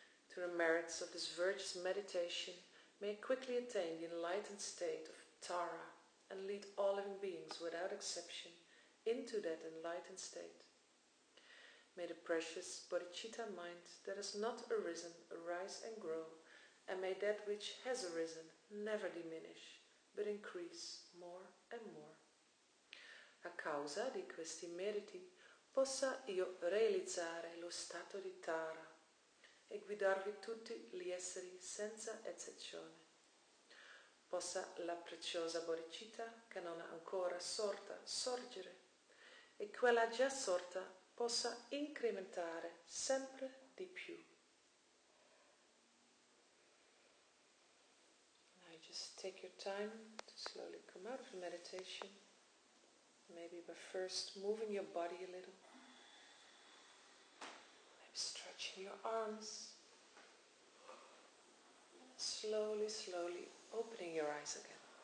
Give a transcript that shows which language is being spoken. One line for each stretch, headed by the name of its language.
English: Through the merits of this virtuous meditation, may quickly attain the enlightened state of Tara and lead all living beings without exception into that enlightened state. May the precious bodhicitta mind that has not arisen arise and grow, and may that which has arisen never diminish, but increase more and more.
Italian: A causa di questi meriti possa io realizzare lo stato di Tara e guidarvi tutti gli esseri senza eccezione. Possa la preziosa bodhicitta che non è ancora sorta sorgere e quella già sorta possa incrementare sempre di più.
English: Now you just take your time to slowly come out of the meditation, maybe by first moving your body a little, maybe stretching your arms, slowly, slowly opening your eyes again.